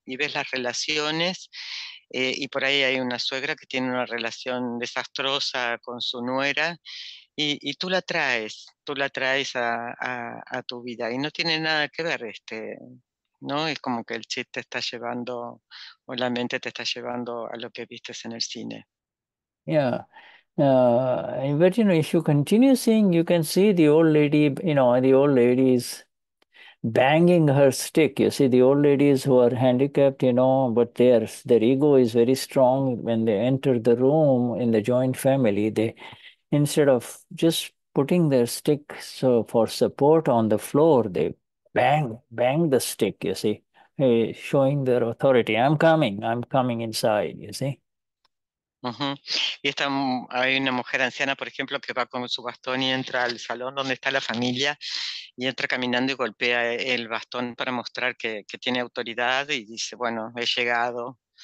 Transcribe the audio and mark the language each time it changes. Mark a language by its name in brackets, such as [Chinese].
[Spanish] Y ves las relaciones, y por ahí hay una suegra que tiene una relación desastrosa con su nuera, y tú la traes a tu vida. Y no tiene nada que ver, ¿no? Es como que el chiste te está llevando, o la mente te está llevando a lo que viste en el cine. [English] Yeah. But, you know, if you continue seeing, you can see the old lady, you know, the old ladies banging her stick. You see, the old ladies who are handicapped, you know, but their ego is very strong. When they enter the room in the joint family, they, instead of just putting their stick so for support on the floor, they bang the stick, you see, showing their authority. I'm coming inside, you see. [Spanish] Uh-huh. Y hay una mujer anciana, por ejemplo, que va con su bastón y entra al salón donde está la familia y entra caminando y golpea el bastón para mostrar que tiene autoridad y dice, bueno, he llegado.